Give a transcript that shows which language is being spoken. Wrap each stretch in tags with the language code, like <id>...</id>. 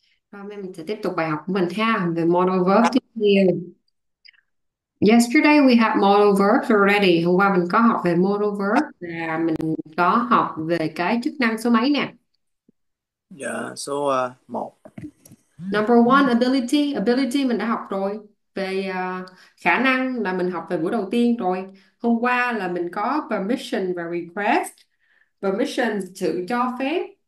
<vi>Rồi mình sẽ tiếp tục bài học của mình ha về modal verb tiếp theo.</vi> <en>Yesterday we had modal verbs already.</en> <vi>Hôm qua mình có học về modal verb và mình có học về cái chức năng số mấy nè. Số 1.</vi> <en>Number one, ability.</en> <vi>Ability mình đã học rồi. Về khả năng là mình học về buổi đầu tiên rồi. Hôm qua là mình có permission và request. Permission sự cho phép.</vi>